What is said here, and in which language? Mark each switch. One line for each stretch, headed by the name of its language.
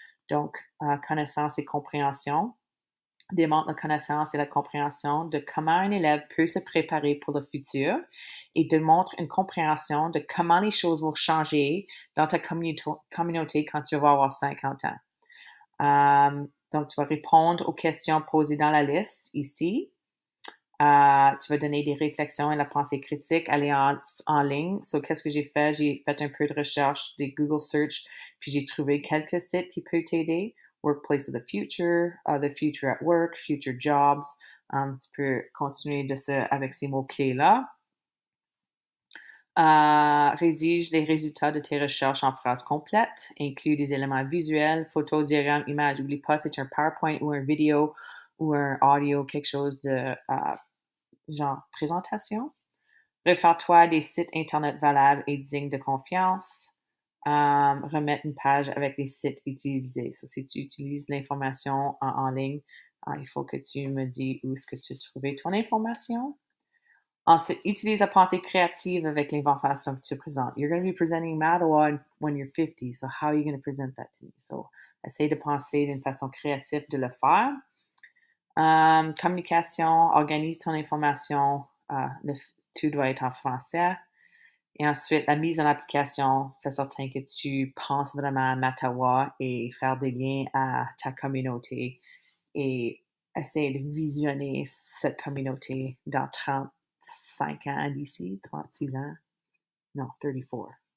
French: Donc, connaissance et compréhension démontre la connaissance et la compréhension de comment un élève peut se préparer pour le futur et démontre une compréhension de comment les choses vont changer dans ta communauté quand tu vas avoir 50 ans. Donc, tu vas répondre aux questions posées dans la liste ici. Tu vas donner des réflexions et la pensée critique, aller en ligne. So, qu'est-ce que j'ai fait? J'ai fait un peu de recherche, des Google search, puis j'ai trouvé quelques sites qui peuvent t'aider.
English: Workplace of the future, the future at work, future jobs.
French: Tu peux continuer de avec ces mots-clés-là. Rédige les résultats de tes recherches en phrases complètes. Inclus des éléments visuels, photos, diagrammes, images. N'oublie pas, c'est un PowerPoint ou une vidéo ou un audio, quelque chose de genre présentation. Réfère-toi à des sites Internet valables et dignes de confiance. Remettre une page avec les sites utilisés. So, si tu utilises l'information en ligne, il faut que tu me dis où est-ce que tu as trouvé ton information. Ensuite, utilise la pensée créative avec l'information que tu présentes.
English: You're going to be presenting Mattawa when you're 50, so how are you going to present that to me?
French: So, essaye de penser d'une façon créative de le faire. Communication, organise ton information, tout doit être en français. Et ensuite, la mise en application, fais certain que tu penses vraiment à Mattawa et faire des liens à ta communauté et essayer de visionner cette communauté dans 35 ans d'ici, 36 ans. Non, 34.